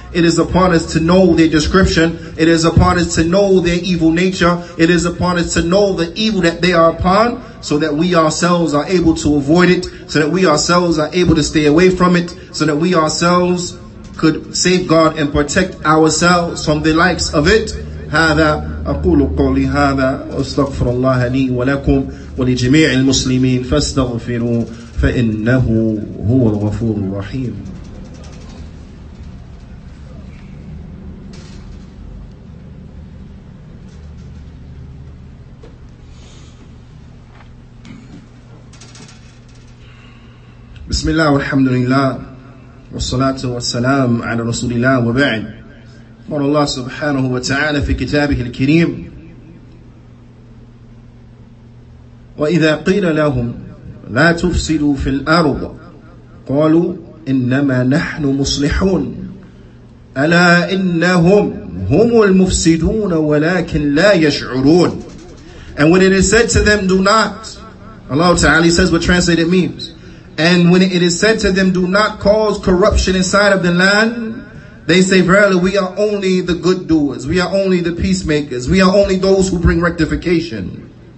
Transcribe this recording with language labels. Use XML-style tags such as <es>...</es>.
<en>It is upon us to know their description. It is upon us to know their evil nature. It is upon us to know the evil that they are upon, so that we ourselves are able to avoid it, so that we ourselves are able to stay away from it, so that we ourselves could safeguard and protect ourselves from the likes of it.</en> <ar>هذا أقول قولي هذا وأستغفر الله لي ولكم ولجميع المسلمين فاستغفروا فإنه هو الغفور الرحيم. بسم الله والحمد لله والصلاة والسلام على رسول الله وبعد. قال الله سبحانه وتعالى في كتابه الكريم وإذا قيل لهم لا تفسدوا في الأرض قالوا إنما نحن مصلحون ألا إنهم هم المفسدون ولكن لا يشعرون.</ar> <en>And when it is said to them, do not, Allah Ta'ala says what translated means, and when it is said to them, do not cause corruption inside of the land, they say, verily, we are only the good doers. We are only the peacemakers. We are only those who bring rectification.</en>